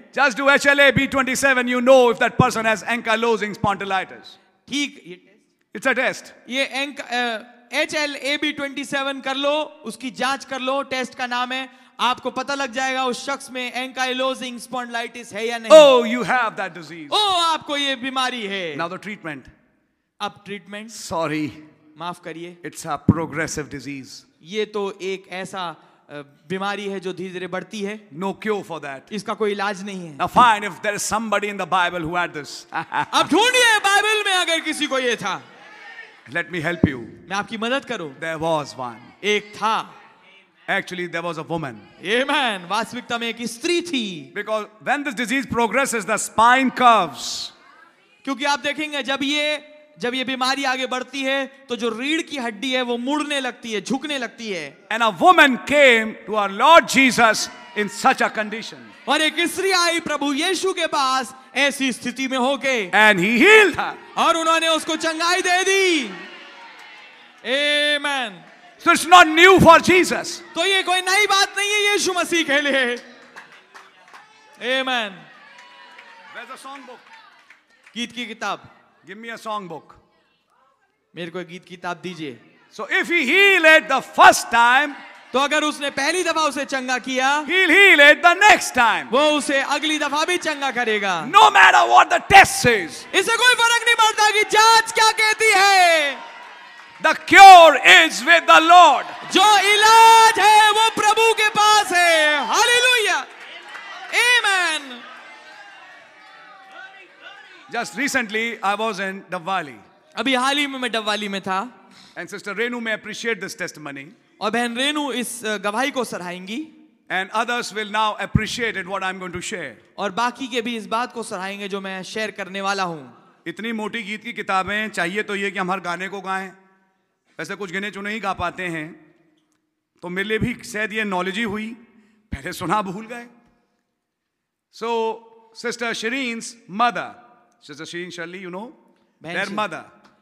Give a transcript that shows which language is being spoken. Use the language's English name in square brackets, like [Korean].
[English] Just do HLA-B27, you know if that person has ankylosing spondylitis. [Hindi] ठीक. [English] It's a test. [Hindi] ये HLA-B27 कर लो, उसकी जांच कर लो, टेस्ट का नाम है. आपको पता लग जाएगा उस शख्स में एंकाइलोजिंग स्पॉन्डिलाइटिस है या नहीं [English] Oh, you have that disease. [Hindi] Oh, आपको ये बीमारी है [English] Now the treatment. [Hindi] अब ट्रीटमेंट [English] sorry [Hindi] माफ करिए [English] It's a progressive disease. [Hindi] ये तो एक ऐसा बीमारी है जो धीरे धीरे बढ़ती है [English] No cure for that. [Hindi] इसका कोई इलाज नहीं है [English] Now fine, if there is somebody in the Bible who had this. [Hindi] अब ढूंढिए बाइबल में अगर किसी को ये था [English] Let me help you. [Hindi] मैं आपकी मदद करूं [English] There was one. [Hindi] एक था [English] Actually, there was a woman. Amen. [Hindi] वास्तविकता में एक स्त्री थी. [English] Because when this disease progresses, the spine curves. [Hindi] क्योंकि आप देखेंगे जब ये बीमारी आगे बढ़ती है, तो जो रीढ़ की हड्डी है, वो मुड़ने लगती है, झुकने लगती है. [English] And a woman came to our Lord Jesus in such a condition. [Hindi] और एक स्त्री आई प्रभु यीशु के पास ऐसी स्थिति में होके. [English] And he healed her. [Hindi] और उन्होंने उसको चंगाई दे दी. [English] Amen. So it's not new for Jesus. [Hindi] तो ये कोई नई बात नहीं है यीशु मसीह के लिए. [English] Amen. Where's a songbook? [Hindi] गीत की किताब. [English] Give me a songbook. [Hindi] मेरे को एक गीत की किताब दीजिए. [English] So if he healed it the first time, [Hindi] तो अगर उसने पहली दफा उसे चंगा किया, [English] he'll heal it the next time. [Hindi] वो उसे अगली दफा भी चंगा करेगा. [English] No matter what the test says. [Hindi] इसे कोई फर्क नहीं पड़ता कि जांच क्या कहती है. [English] The cure is with the Lord. [Hindi] जो इलाज है वो प्रभु के पास है. [English] Hallelujah. Amen. Just recently, I was in Davali. [Hindi] अभी हाल ही में मैं डब्वाली में था. [English] And Sister Renu may appreciate this testimony. [Hindi] और बहन रेनू इस गवाही को सराहेंगी. [English] And others will now appreciate it what I'm going to share. [Hindi] और बाकी के भी इस बात को सराहेंगे जो मैं शेयर करने वाला हूँ. इतनी मोटी गीत की किताबें चाहिए तो ये कि हम हर गाने को गाएं. ऐसे कुछ गिने चुने ही गा पाते हैं तो मेरे लिए भी शायद ये नॉलेज ही हुई पहले सुना भूल गए [English] so sister Shireen's mother sister Shireen Shirley you know their mother